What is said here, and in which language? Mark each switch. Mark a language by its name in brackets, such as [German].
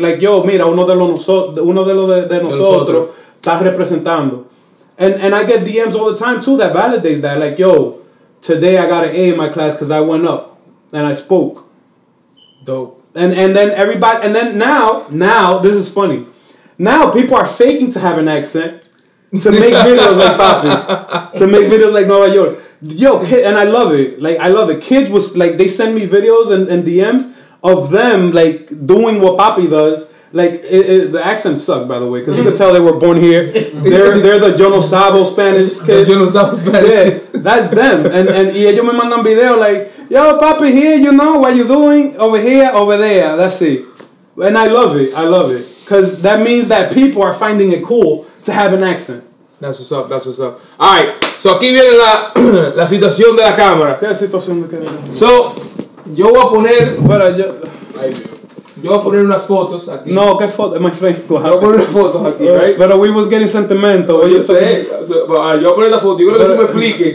[Spanish] Like, yo, mira, uno de los de nosotros está representando. [English] And I get DMs all the time, too, that validates that. Like, yo, today I got an A in my class because I went up and I spoke. Dope. And then now, this is funny. Now people are faking to have an accent to make videos like Papi. To make videos like Nueva York. Yo, kid, and I love it. Like, I love it. Kids was like, they send me videos and DMs of them like doing what Papi does. Like, the accent sucks, by the way, because you can tell they were born here. They're the yo no sabo Spanish kids. The yo no sabo Spanish kids. Yeah, that's them. And [Spanish] y ellos me mandan video [English] like, yo, papi, here, you know, what you doing? Over here, over there. That's it. And I love it. I love it. Because that means that people are finding it cool to have an accent. That's what's up. That's what's up. All right. [Spanish] So, aquí viene la situación de la cámara. ¿Qué situación de cámara? So, yo voy a poner... Bueno, yo... Ahí. Yo voy a poner unas fotos aquí. No, ¿qué foto? My friend, yo voy a poner unas fotos aquí, right? [English] Pero we was getting sentimental. [Spanish] Yo sé. Yo voy a poner la foto. Yo creo que tú me expliques.